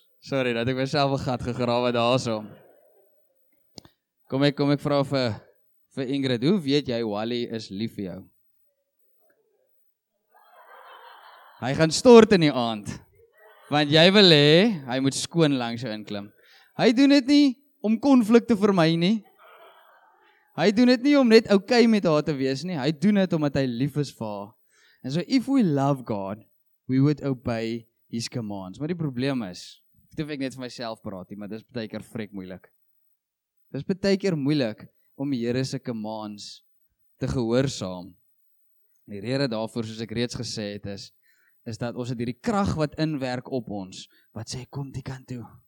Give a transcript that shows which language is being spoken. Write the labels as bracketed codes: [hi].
[af] Sorry, dat ek myself een gat gegrawe daar so. Kom ek vraag vir Ingrid, hoe weet jy Wally is lief vir jou? Hy gaan stort in die aand, want jy wil hê, hy moet skoon langs jou inklim. Hy doen dit nie om konflik te vermy nie. Hy doen dit nie om net okay met haar te wees nie, hy doen dit omdat hy lief is vir haar. [en] And so if we love God, we would obey his commands. [af] Maar die probleem is, Ek hoef ek net vir myself praat nie, maar dit is baie keer vrek moeilik. Dit is baie keer moeilik om die Here se commands te gehoorsaam. Die rede daarvoor, soos ek reeds gesê het, is dat ons het hierdie krag wat inwerk op ons, wat sê, kom die kant toe.